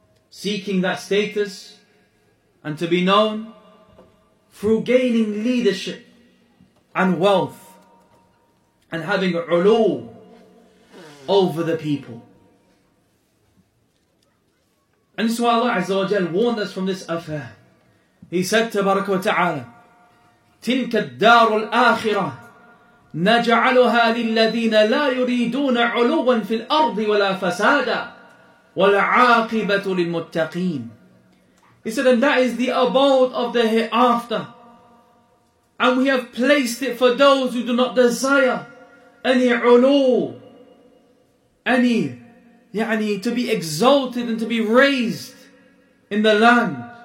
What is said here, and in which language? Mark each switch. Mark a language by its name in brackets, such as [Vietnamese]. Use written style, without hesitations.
[English] Seeking that status and to be known through gaining leadership and wealth and having ulu over the people. And this is why Allah Azza wa Jal warned us from this affair. He said, [Arabic] Tabaraka wa ta'ala, تِلْكَ الدَّارُ الْآخِرَةِ نجعلها للذين لا يريدون علوا في الأرض ولا فسادا والعاقبة للمتقين. [English] He said, and that is the abode of the hereafter. And we have placed it for those who do not desire any ulu, any, يعني, to be exalted and to be raised in the land.